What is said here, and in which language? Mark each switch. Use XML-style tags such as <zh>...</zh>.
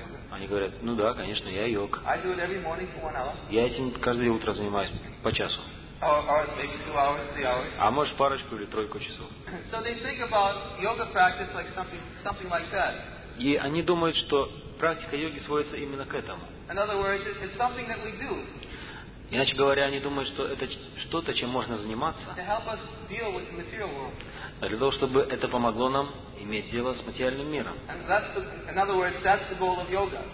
<ru>Они говорят, ну да, конечно, я йог. Я этим каждое утро занимаюсь по часу. А может парочку или тройку часов.</ru> <en>So they think about yoga practice like something like that.</en> <ru>И они думают, что практика йоги сводится именно к этому.</ru> <en>In other words, it's something that we do.</en> <ru>Иначе говоря, они думают, что это что-то, чем можно заниматься.</ru> <en>To help us deal with the material world.</en> <ru>Для того, чтобы это помогло нам иметь дело с материальным миром.</ru> <en>In other words, that's the goal of yoga.</en>